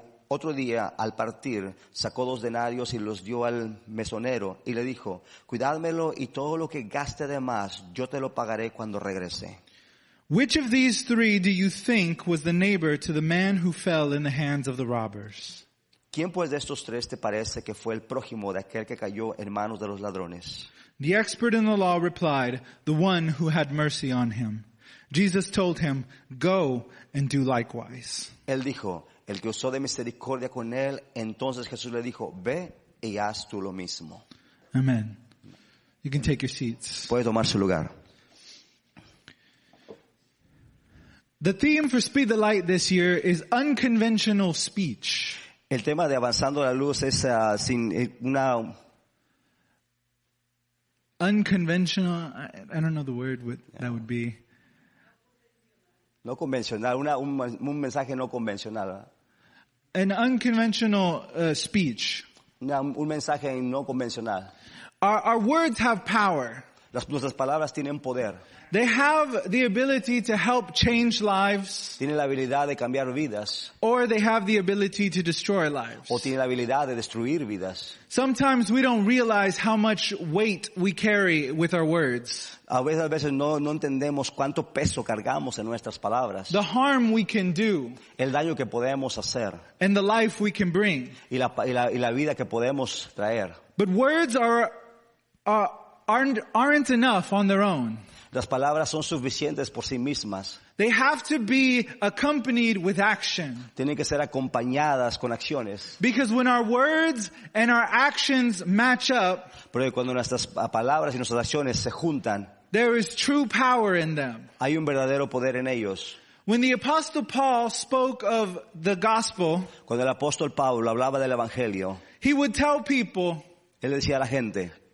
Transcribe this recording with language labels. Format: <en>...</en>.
<es>Otro día, al partir, sacó 2 denarios y los dio al mesonero y le dijo, cuidádmelo y todo lo que gaste de más, yo te lo pagaré cuando regrese.</es> <en>Which of these 3 do you think was the neighbor to the man who fell in the hands of the robbers?</en> <es>¿Quién pues de estos 3 te parece que fue el prójimo de aquel que cayó en manos de los ladrones?</es> <en>The expert in the law replied, the one who had mercy on him. Jesus told him, go and do likewise.</en> <es>Él dijo, el que usó de misericordia con él, entonces Jesús le dijo, ve y haz tú lo mismo.</es> <en>Amen. You can take your seats.</en> <es>Puede tomar su lugar.</es> <en>The theme for Speed the Light this year is unconventional speech.</en> <es>El tema de Avanzando la Luz es sin una...</es> <en>Unconventional, I don't know the word that would be.</en> <es>No convencional, un mensaje no convencional, ¿verdad?</es> <en>An unconventional speech.</en> <es>Un mensaje no convencional.</es> <en>Our words have power.</en> <es>Nuestras palabras tienen poder.</es> <en>They have the ability to help change lives.</en> <es>Tienen la habilidad de cambiar vidas.</es> <en>Or they have the ability to destroy lives.</en> <es>O tienen la habilidad de destruir vidas.</es> <en>Sometimes we don't realize how much weight we carry with our words.</en> <es>A veces no entendemos cuánto peso cargamos en nuestras palabras.</es> <en>The harm we can do.</en> <es>El daño que podemos hacer.</es> <en>And the life we can bring.</en> <es>Y la vida que podemos traer.</es> <en>But words aren't enough on their own.</en> <es>Las palabras son suficientes por sí mismas.</es> <en>They have to be accompanied with action.</en> <es>Tienen que ser acompañadas con acciones.</es> <en>Because when our words and our actions match up,</en> <es>porque cuando nuestras palabras y nuestras acciones se juntan,</es> <en>there is true power in them.</en> <es>Hay un verdadero poder en ellos.</es> <en>When the apostle Paul spoke of the gospel,</en> <es>cuando el apóstol Pablo hablaba del evangelio,</es> <en>he would tell people,</en> <es>él decía a la gente,</es>